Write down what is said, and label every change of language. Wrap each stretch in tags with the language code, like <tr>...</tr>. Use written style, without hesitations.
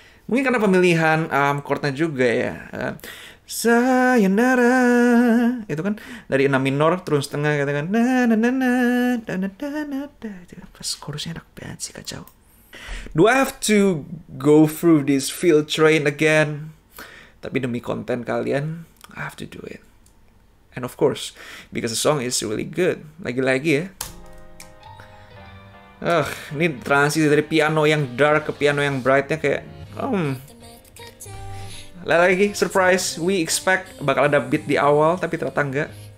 <id>Mungkin karena pemilihan chord-nya juga ya. Sayonara. Itu kan dari 6 minor turun setengah gitu kan. Na na na na da na da na da. Pas chord-nya enak banget sih, kacau.</id> <en>Do I have to go through this field train again?</en> <id>Tapi demi konten kalian,</id> <en>I have to do it. And of course, because the song is really good.</en> <id>Lagi-lagi ya. Ini transisi dari piano yang dark ke piano yang bright-nya kayak... Lagi-lagi, surprise.</id> <en>We expect</en> <id>bakal ada beat di awal, tapi ternyata enggak.</id>